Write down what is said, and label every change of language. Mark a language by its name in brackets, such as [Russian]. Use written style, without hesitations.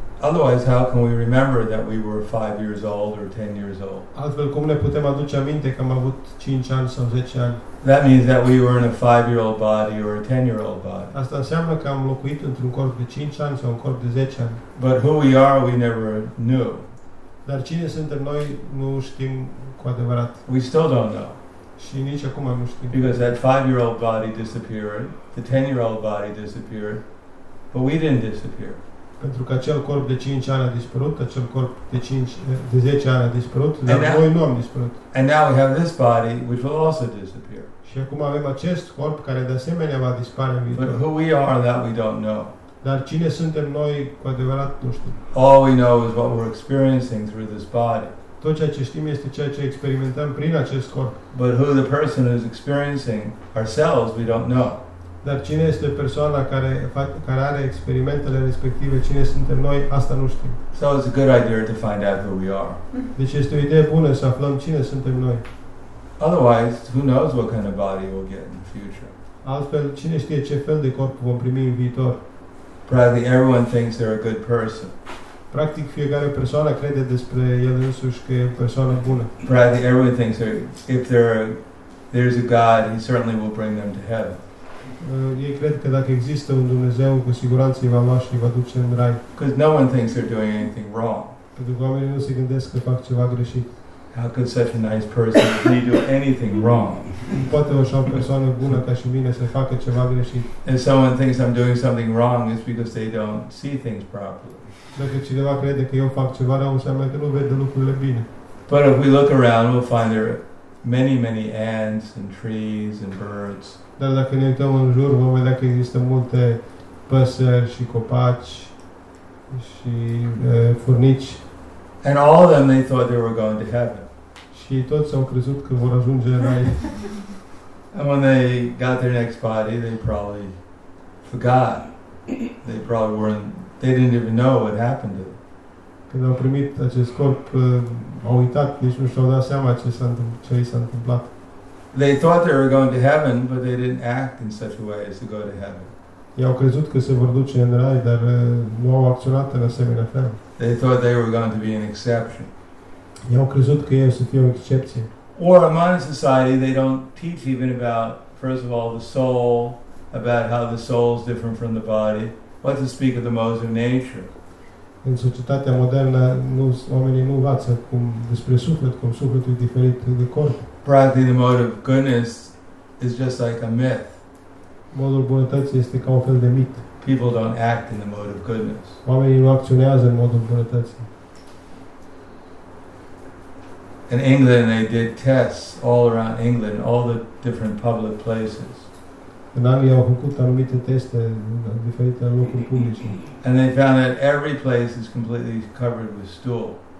[English] Otherwise, how can we remember that we were 5 years old or 10 years old? [Romanian] Altfel, cum ne putem aduce aminte că am avut 5 ani sau 10 ani? [English] That means that we were in a 5-year-old body or a 10-year-old body. [Romanian] Asta înseamnă că am locuit într-un corp de 5 ani sau un corp de 10 ani. [English] But who we are, we never knew. [Romanian] Dar cine suntem noi, nu știm cu adevărat. [English] We still don't know. [Romanian] Și nici acum nu știm. [English] Because that 5-year-old body disappeared, the 10-year-old body disappeared, but we didn't disappear. [Romanian] Pentru că acel corp de 5 ani a dispărut, acel corp de 5 de 10 ani a dispărut, dar and noi nu am dispărut. [English] And now we have this body which will also disappear. [Romanian] Și acum avem acest corp care de asemenea va dispare în viitor. [English] But who we are, that we don't know. [Romanian] Dar cine suntem noi cu adevărat, nu știm. [English] All we know is what we're experiencing through this body. [Romanian] Tot ceea ce știm este ceea ce experimentăm prin acest corp. [English] But who the person is experiencing ourselves, we don't know. [Romanian] Dar cine este persoana care care are experimentele respective, cine suntem noi, asta nu știm. [English] So it's a good idea to find out who we are. [Romanian] Deci este o idee bună să aflăm cine suntem noi. [English] Otherwise, who knows what kind of body we'll get in the future. [Romanian] Altfel, cine știe ce fel de corp vom primi în viitor. [English] Practically everyone thinks they're a good person. [Romanian] Practic fiecare persoană crede despre el însuși că e o persoană bună. [English] Practically everyone thinks if there's a God, he certainly will bring them to heaven. [Romanian] Ei cred că dacă există un Dumnezeu, cu siguranță îi va lua și îi va duce în rai. [English] Because no one thinks they're doing anything wrong. [Romanian] Pentru că oamenii nu se gândesc că fac ceva greșit. [English] How could such a nice person be doing anything wrong? [Romanian] Poate o persoană bună ca și mine să facă ceva greșit. [English] If someone thinks I'm doing something wrong, it's because they don't see things properly. [Romanian] Dacă cineva crede că eu fac ceva rău, înseamnă că nu vede lucrurile bine. [English] But if we look around, we'll find there many, many ants and trees and birds. [Romanian] Dar dacă ne uităm în jur, vom vedea că există multe păsări și copaci și furnici. [English] And all of them, they thought they were going to heaven. [Romanian] Și toți au crezut că vor ajunge în rai. [English] And when they got their next body, they probably forgot. They probably weren't, they didn't even know what happened to them. [Romanian] Când au primit acest corp, au uitat, nici nu și-au dat seama ce s-a întâmplat. [English] They thought they were going to heaven, but they didn't act in such a way as to go to heaven. [Romanian] Ei au crezut că se vor duce în rai, dar nu au acționat în asemenea fel. [English] They thought they were going to be an exception. [Romanian] Ei au crezut că ei o să fie o excepție. [English] Or a modern society, they don't teach even about, first of all, the soul, about how the soul is different from the body, what to speak of the modes of nature. [Romanian] În societatea modernă, oamenii nu învață cum despre suflet, cum sufletul e diferit de corp. [English] Practically, the mode of goodness is just like a myth. [Romanian] Modul bunătății este ca un fel de mit. [English] People don't act in the mode of goodness. [Romanian] Oamenii nu acționează în modul bunătății. [English] In England, they did tests all around England, all the different public places. [Romanian] În Anglia au făcut anumite teste în diferite locuri publice. [English] And they found that every place is completely covered with stool.